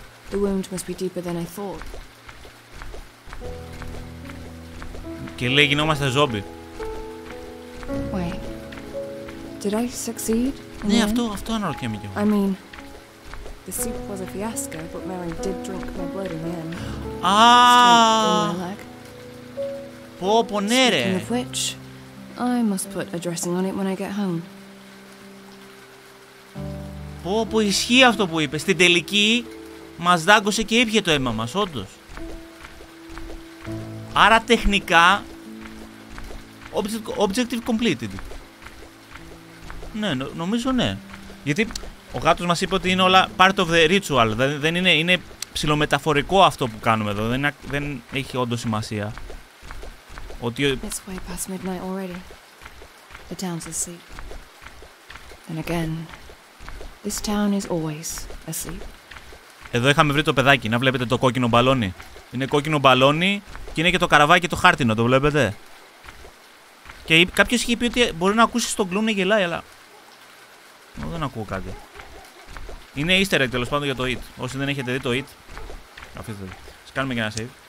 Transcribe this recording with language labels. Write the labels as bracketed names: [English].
[English] The wound must be deeper than I thought. [Greek] Και λέει, γινόμαστε ζόμπι. [English] Wait. Did I succeed? [Greek] Ναι, αυτό αναρωτιέμαι κι εγώ. [English] I mean, the soup was a fiasco, but Mary did drink my blood in the end. [Greek] Ah! Πω, πω, ναι, ρε. [English] Speaking of which, I must put a dressing on it when I get home. [Greek] Πω, πω, ισχύει αυτό που είπε. Στην τελική, μας δάγκωσε και ήπιε το αίμα μας, όντως. Άρα, τεχνικά, objective completed. Ναι, νομίζω ναι. Γιατί ο γάτος μας είπε ότι είναι όλα [English] part of the ritual. [Greek] Δεν είναι, είναι ψιλομεταφορικό αυτό που κάνουμε εδώ. Δεν έχει όντως σημασία. Ότι... [English] It's way past midnight already. The town's asleep. And again, this town is always asleep. [Greek] Εδώ είχαμε βρει το παιδάκι. Να βλέπετε το κόκκινο μπαλόνι. Είναι κόκκινο μπαλόνι και είναι και το καραβάκι και το χάρτινο. Το βλέπετε. Και κάποιος είχε πει ότι μπορεί να ακούσει τον κλουν να γελάει, αλλά... Εγώ δεν ακούω κάτι. Είναι easter egg, τέλος πάντων, για το It. Όσοι δεν έχετε δει το It, αφήστε το. Ας κάνουμε και ένα save.